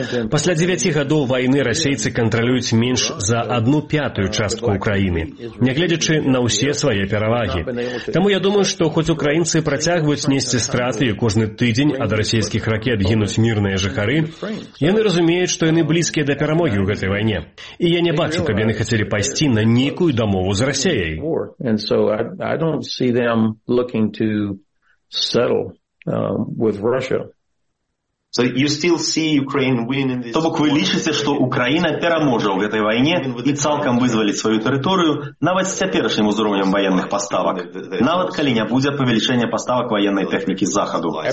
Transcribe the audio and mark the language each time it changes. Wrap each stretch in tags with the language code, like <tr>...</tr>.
<uk>Після 9 років війни російці контролюють менш за 1/5 частку України, не глядячи на усі свої переваги. Тому я думаю, що хоч українці протягують нести страти і кожен тиждень від російських ракет гинуть мирні жихари, вони розуміють, що вони близькі до перемоги у цій війні. І я не бачу, щоб вони хотіли пойти на ніяку домову з Росією.</uk> <en>And so I don't see them looking to settle with Russia. So you still see Ukraine winning this.</en> <uk>Тобто ви лічите, що Україна переможе у цій війні і цілком визволить свою територію, навіть з теперішнім узровнем воєнних поставок. Навіть коли не буде повеличення поставок воєнної техніки з Заходу.</uk>